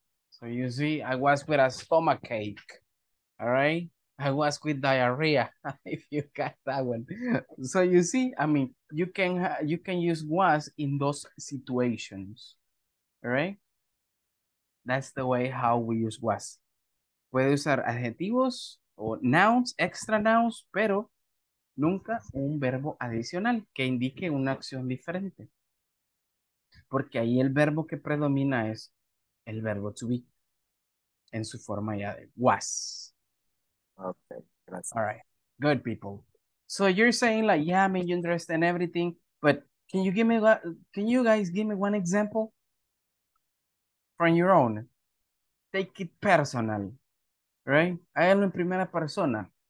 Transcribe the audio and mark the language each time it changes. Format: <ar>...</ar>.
<en>So you see, I was with a stomachache, all right? I was with diarrhea, if you got that one. So you see, I mean, you can use was in those situations, all right? That's the way how we use was.</en> <es>Puede usar adjetivos o</es> <en>nouns, extra nouns,</en> <es>pero nunca un verbo adicional que indique una acción diferente. Porque ahí el verbo que predomina es el verbo to be en su forma ya de was. Okay, gracias.</es> <en>All right, good people. So you're saying like, yeah, I mean, you understand everything, but can you guys give me one example from your own? Take it personal, right?</en> <es>Háganlo en primera persona.</es>